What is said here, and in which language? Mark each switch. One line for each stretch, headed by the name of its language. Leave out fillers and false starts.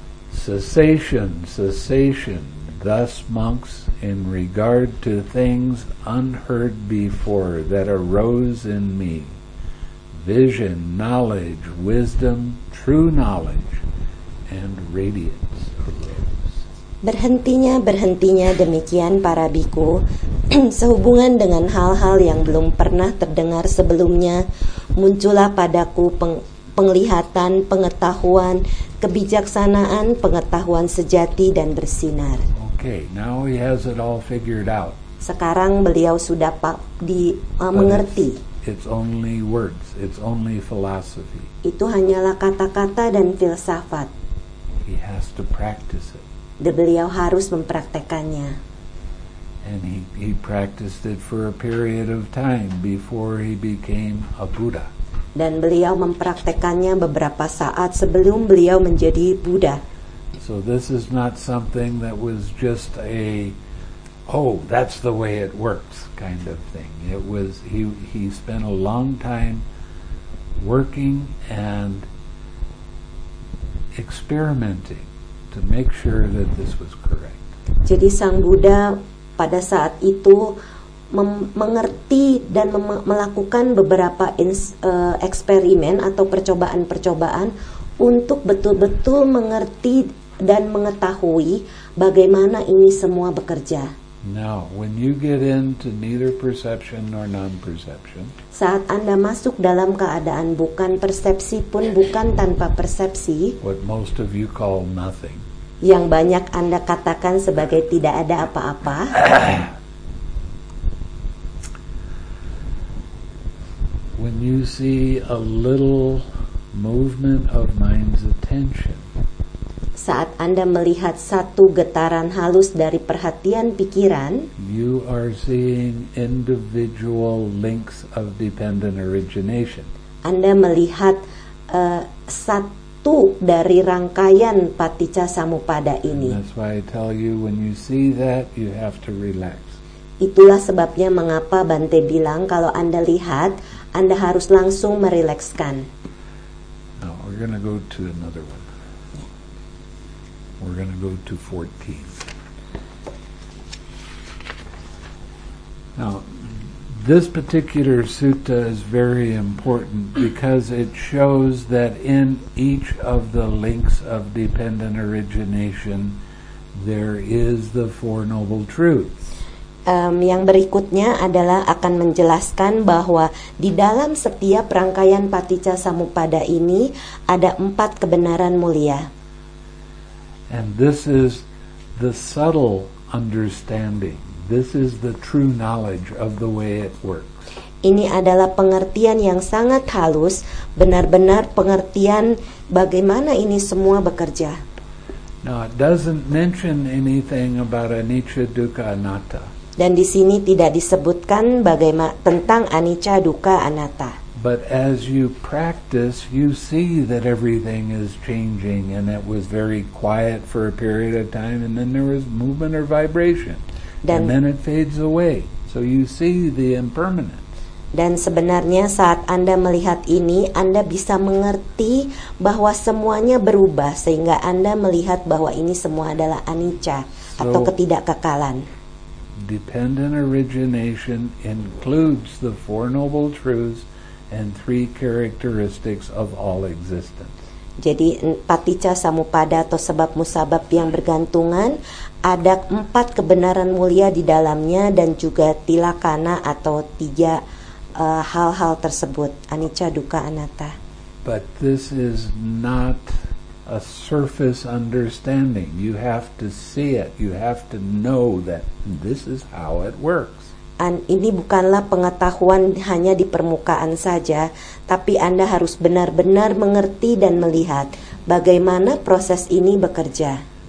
English: Cessation, cessation. Thus, monks, in regard to things unheard before that arose in me, vision, knowledge, wisdom, true knowledge, and radiance arose.
Indonesian: Berhentinya demikian para biku, sehubungan dengan hal-hal yang belum pernah terdengar sebelumnya, muncullah padaku penglihatan, pengetahuan, kebijaksanaan, pengetahuan sejati dan bersinar.
English: Okay, now he has it all figured out.
Indonesian: Sekarang beliau sudah mengerti.
English: It's only words. It's only philosophy.
Indonesian: Itu hanyalah kata-kata dan filsafat.
English: He has to practice it.
Indonesian: Beliau harus mempraktekannya.
English: And he practiced it for a period of time before he became a Buddha.
Indonesian: Dan beliau mempraktekannya beberapa saat sebelum beliau menjadi Buddha.
English: So this is not something that was just a oh, that's the way it works kind of thing. It was he spent a long time working and experimenting to make sure that this was correct.
Indonesian: Jadi Sang Buddha pada saat itu mengerti dan melakukan beberapa eksperimen atau percobaan-percobaan untuk betul-betul mengerti dan mengetahui bagaimana ini semua bekerja.
English: Now, when you get into neither perception nor non-perception,
Indonesian: saat Anda masuk dalam keadaan bukan persepsi pun bukan tanpa persepsi,
English: what most of you call nothing,
Indonesian: yang banyak Anda katakan sebagai tidak ada apa-apa,
English: when you see a little movement of mind's attention,
Indonesian: saat Anda melihat satu getaran halus dari perhatian pikiran,
English: you are seeing individual links of dependent origination.
Indonesian: Anda melihat satu dari rangkaian paticca samuppada ini.
English: And that's why I tell you, when you see that, you have to relax.
Indonesian: Itulah sebabnya mengapa Bante bilang kalau Anda lihat, Anda harus langsung merilekskan.
English: Now we're gonna go to another one. We're going to go to 14. Now, this particular sutta is very important because it shows that in each of the links of dependent origination, there is the Four Noble Truths.
Indonesian: Yang berikutnya adalah akan menjelaskan bahwa di dalam setiap rangkaian paticca samuppada ini ada empat kebenaran mulia.
English: And this is the subtle understanding. This is the true knowledge of the way it works.
Indonesian: Ini adalah pengertian yang sangat halus, benar-benar pengertian bagaimana ini semua bekerja.
English: Now, it doesn't mention anything about anicca, dukkha, anatta.
Indonesian: Dan di sini tidak disebutkan bagaimana tentang anicca, dukkha, anatta.
English: But as you practice, you see that everything is changing, and it was very quiet for a period of time, and then there was movement or vibration, and then it fades away. So you see the impermanence.
Indonesian: Dan sebenarnya saat Anda melihat ini, Anda bisa mengerti bahwa semuanya berubah, sehingga Anda melihat bahwa ini semua adalah anicca atau ketidakkekalan.
English: Dependent origination includes the Four Noble Truths and three characteristics of all existence.
Indonesian: Jadi paticca samuppada atau sebab musabab yang bergantungan ada empat kebenaran mulia di dalamnya dan juga tilakana atau tiga hal-hal tersebut anicca dukkha anatta.
English: But this is not a surface understanding. You have to see it. You have to know that this is how it works.
Indonesian: Ini bukanlah pengetahuan hanya di permukaan saja, tapi Anda harus benar-benar mengerti dan melihat bagaimana proses ini bekerja.